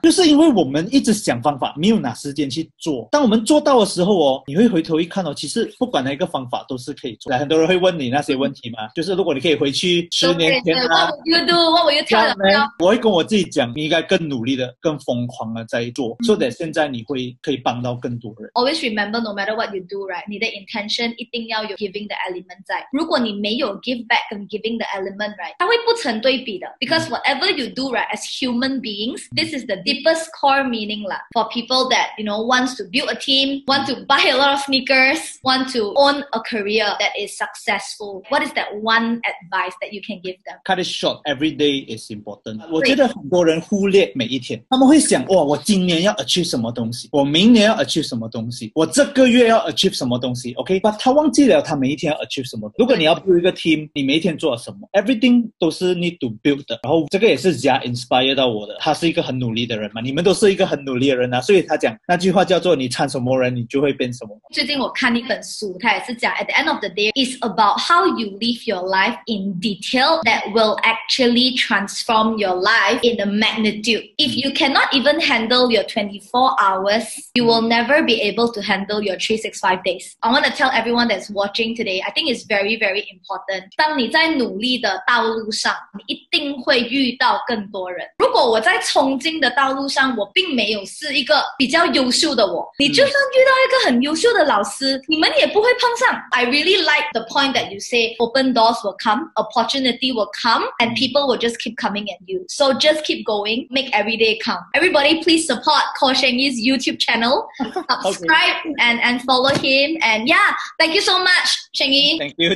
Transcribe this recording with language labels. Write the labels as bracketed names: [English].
[Chinese] 就是因为我们一直想方法, 没有哪时间 去做, 当我们做到的时候, 你会回头一看, 其实不管哪一个方法都是可以做, 很多人会问你那些问题吗, 就是如果你可以回去 10年前, [English] What would you tell them? [Chinese] 我会跟我自己讲, 你应该更努力的, 更疯狂的在做, 所以现在你会可以帮到更多人. [English] Always remember, no matter what you do, right, 你的 intention 一定要有 giving the element 在, 如果你没有 give back 跟 giving the element, right, 它会不成对比的, because whatever you do, right, as human beings, this is the deepest core meaning la, for people that you know, wants to build a team, want to buy a lot of sneakers, want to own a career that is successful. What is that one advice that you can give them? [Chinese] Cut it short. Every day is important. 我觉得很多人忽略每一天, 他们会想, 哇, 我今年要 achieve 什么东西, 我明年要 achieve 什么东西, 我这个月要 achieve 什么东西, okay? But 他忘记了他每一天要 achieve 什么东西.如果你要 build 一个 team, 你每一天做了什么, everything 都是 need to build 的. 然后这个也是 Zia inspire 到我的, 他是一个很努力的人嘛, 你们都是一个很努力的人啊, 所以他讲那句话叫做你看什么人你就会变什么。最近我看一本书 [English] 它也是讲 at the end of the day it's about how you live your life in detail that will actually transform your life in the magnitude. If you cannot even handle your 24 hours, you will never be able to handle your 365 days. I want to tell everyone that's watching today, I think it's very, very important. [Chinese] 当你在努力的道路上，你一定会遇到更多人。如果我在冲劲的道路上，我并没有是一个比较优秀的我，你就算遇到一个很优秀的老师，你们也不会碰上。 [English] I really like the point that you say, open doors will come, opportunity will come, and people will just keep coming at you. So just keep going, make every day count. Everybody, please support Ko Sheng Yi's YouTube channel, subscribe, okay. And follow him. And yeah, thank you so much, Sheng Yi.